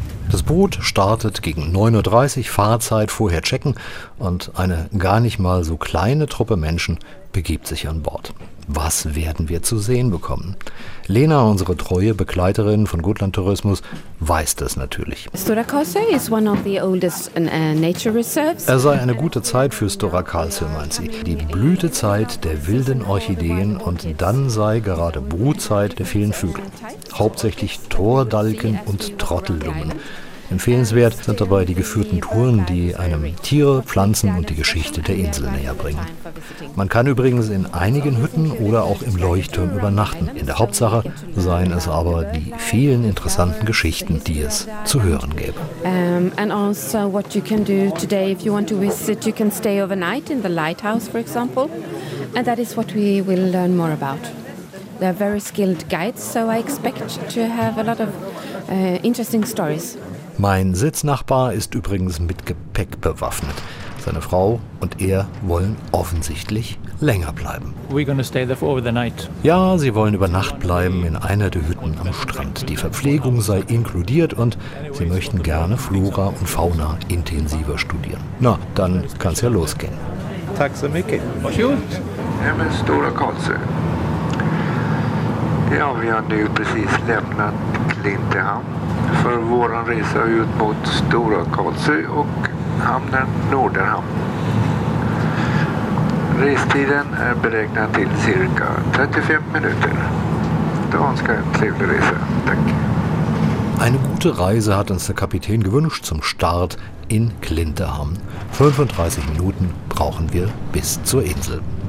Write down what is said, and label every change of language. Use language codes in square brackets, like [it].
[de] Das Boot startet gegen 9.30 Uhr, Fahrzeit vorher checken und eine gar nicht mal so kleine Truppe Menschen begibt sich an Bord. Was werden wir zu sehen bekommen? Lena, unsere treue Begleiterin von Gotland Tourismus, weiß das natürlich. [en] Stora Karlsö is one of the oldest nature reserves. [de] Er sei eine gute Zeit für Stora Karlsö, meint sie. Die Blütezeit der wilden Orchideen und dann sei gerade Brutzeit der vielen Vögel. Hauptsächlich Tordalken und Trottellummen. Empfehlenswert sind dabei die geführten Touren, die einem Tiere, Pflanzen und die Geschichte der Insel näher bringen. Man kann übrigens in einigen Hütten oder auch im Leuchtturm übernachten. In der Hauptsache seien es aber die vielen interessanten Geschichten, die es zu hören gäbe. [en] And also what you can do today, if you want to visit, you can stay overnight in the lighthouse, for example. And that is what we will learn more about. They are very skilled guides, so I expect to have a lot of interesting stories. [de] Mein Sitznachbar ist übrigens mit Gepäck bewaffnet. Seine Frau und er wollen offensichtlich länger bleiben. [en] We're going to stay there for over the night. [de] Ja, sie wollen über Nacht bleiben in einer der Hütten am Strand. Die Verpflegung sei inkludiert und sie möchten gerne Flora und Fauna intensiver studieren. Na, dann kann's ja losgehen. Taxi Mickey. Tschüss. Stora Kotze. [sv] Ja, vi har nu precis lämnat Klintehamn för vår resa ut mot Stora Karlsö och hamnen Norderhamn. Restiden är beräknad till cirka 35 minuter. Då önskar jag en trevlig resa. Tack. [de] Eine gute Reise hat uns der Kapitän gewünscht zum Start in Klintehamn. 35 Minuten brauchen wir bis zur Insel.